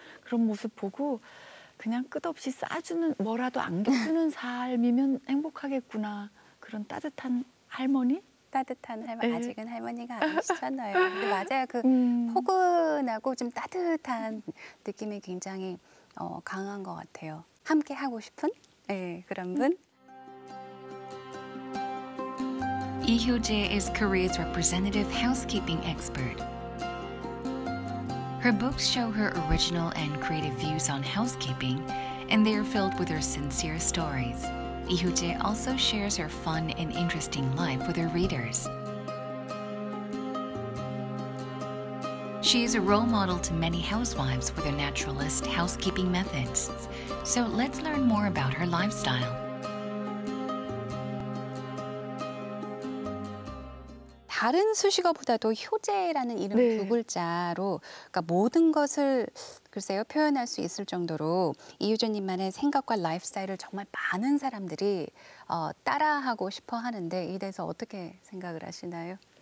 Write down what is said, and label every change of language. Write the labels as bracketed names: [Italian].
[Korean] 그런 모습 보고 그냥 끝없이 싸주는 뭐라도 안겨주는 삶이면 행복하겠구나. 그런 따뜻한 할머니? 따뜻한 할머니. 아직은 할머니가 아니시잖아요. 근데 맞아요. 그 포근하고 좀 따뜻한 느낌이 굉장히 강한 것 같아요. 함께 하고 싶은 네, 그런 분. [English] 이효재 is Korea's representative housekeeping expert. Her books show her original and creative views on housekeeping, and they are filled with her sincere stories. Lee Hyo-jae also shares her fun and interesting life with her readers. She is a role model to many housewives with her naturalist housekeeping methods. So let's learn more about her lifestyle. [Korean] 다른 수식어보다도 효재라는 이름 네. 두 글자로 그러니까 모든 것을 글쎄요 표현할 수 있을 정도로 이효재님만의 생각과 라이프스타일을 정말 많은 사람들이 따라하고 싶어 하는데 이 대해서 어떻게 생각을 하시나요?